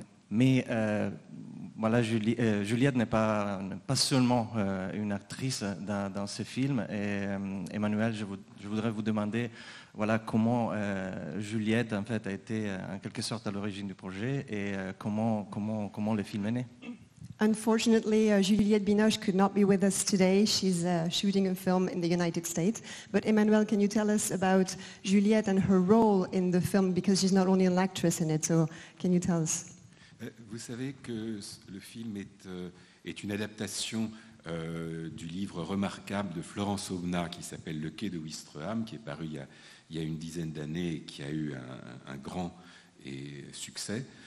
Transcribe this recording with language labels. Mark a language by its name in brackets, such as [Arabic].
[French] Juliette n'est pas seulement une actrice dans ce film. Emmanuel, je voudrais vous demander comment Juliette en fait a été en quelque sorte à l'origine du projet et comment le film est né. [English] Unfortunately, Juliette Binoche could not be with us today. She's shooting a film in the United States. But Emmanuel, can you tell us about Juliette and her role in the film, because she's not only an actress in it. So can you tell us? [French] Vous savez que le film est une adaptation du livre remarquable de Florence Aubenas qui s'appelle Le Quai de Ouistreham, qui est paru il y a une dizaine d'années et qui a eu un grand succès.